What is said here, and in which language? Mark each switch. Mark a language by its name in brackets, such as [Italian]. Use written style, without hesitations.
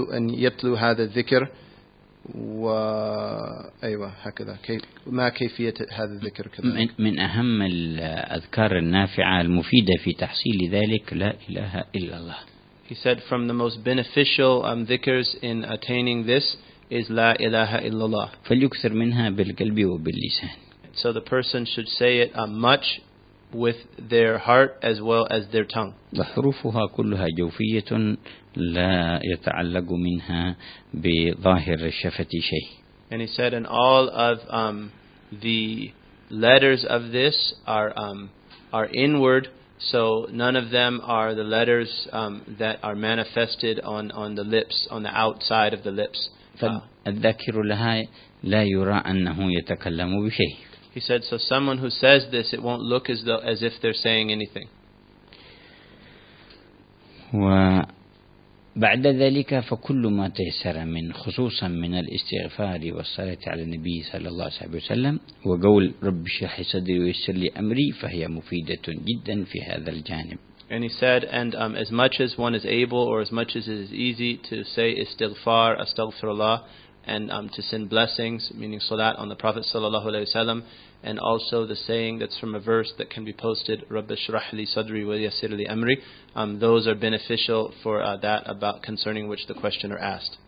[Arabic] يتلو هذا الذكر وأيوة هكذا كيف ما كيفية هذا الذكر كذلك. من أهم الأذكار النافعة المفيدة في تحصيل ذلك لا إله إلا الله. [English] He said, from the most beneficial dhikrs in attaining this is La ilaha illallah. [Arabic] فليكثر منها بالقلب وباللسان. [English] So the person should say it much with their heart as well as their tongue. [Arabic] وحروفها كلها جوفية لا يتعلق منها بظاهر الشفة شيء. [English] And he said, and all of the letters of this are inward, so none of them are the letters that are manifested on the lips, on the outside of the lips. [Arabic] فالذاكر لها لا يرى أنه يتكلم بشيء. [English] He said, so someone who says this, it won't look as though as if they're saying anything. [Arabic] بعد ذلك فكل ما تيسر من خصوصا من الاستغفار والصلاة على النبي صلى الله عليه وسلم وقول رب اشرح لي صدري ويسر لي أمري فهي مفيدة جدا في هذا الجانب. [English] And he said, and as much as one is able or as much as it is easy to say [Arabic] استغفار استغفر الله [English] and to send blessings, meaning salat on the Prophet [Arabic] صلى الله عليه وسلم, [English] and also the saying that's from a verse that can be posted, [Arabic] رب اشرح لي صدري ويسر لي أمري, [English] those are beneficial for that about concerning which the questioner asked.